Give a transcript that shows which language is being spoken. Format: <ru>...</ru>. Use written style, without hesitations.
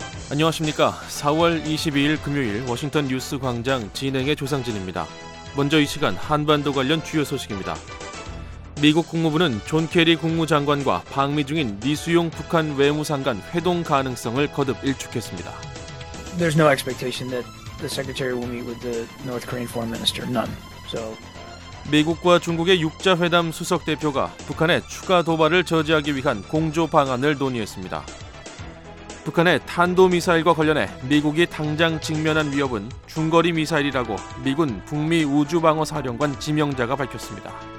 <ko>안녕하십니까. 4월 22일 금요일 워싱턴 뉴스 광장 진행의 조상진입니다. 먼저 이 시간 한반도 관련 주요 소식입니다. 미국 국무부는 존 케리 국무장관과 방미 중인 리수용 북한 외무상관 회동 가능성을 거듭 일축했습니다.</ko> <en>There's no expectation that the secretary will meet with the North Korean foreign minister. None. So</en> <ko>미국과 중국의 6자회담 수석 대표가 북한의 추가 도발을 저지하기 위한 공조 방안을 논의했습니다. 북한의 탄도미사일과 관련해 미국이 당장 직면한 위협은 중거리 미사일이라고 미군 북미 우주방어사령관 지명자가 밝혔습니다.</ko>